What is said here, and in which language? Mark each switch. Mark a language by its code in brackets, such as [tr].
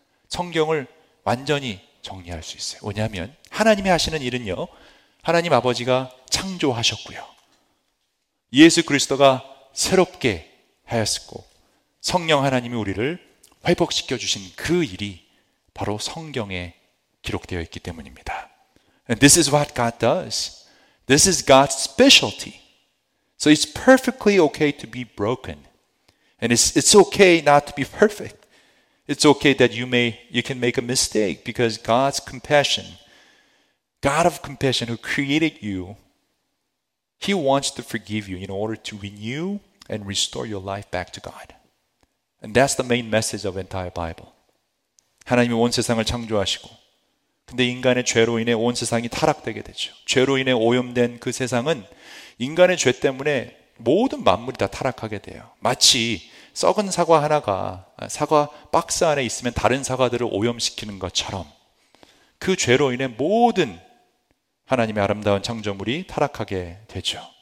[ko] 성경을 완전히 정리할 수 있어요. 왜냐하면 하나님이 하시는 일은요, 하나님 아버지가 창조하셨고요, 예수 그리스도가 새롭게 하였고 성령 하나님이 우리를 회복시켜 주신 그 일이 바로 성경에 기록되어 있기 때문입니다. [en] And this is what God does. This is God's specialty. So it's perfectly okay to be broken. And it's okay not to be perfect. It's okay that you can make a mistake, because God's compassion, God of compassion who created you, He wants to forgive you in order to renew and restore your life back to God. And that's the main message of the entire Bible. [ko] 하나님이 온 세상을 창조하시고 근데 인간의 죄로 인해 온 세상이 타락되게 되죠. 죄로 인해 오염된 그 세상은 인간의 죄 때문에 모든 만물이 다 타락하게 돼요. 마치 썩은 사과 하나가 사과 박스 안에 있으면 다른 사과들을 오염시키는 것처럼 그 죄로 인해 모든 하나님의 아름다운 창조물이 타락하게 되죠.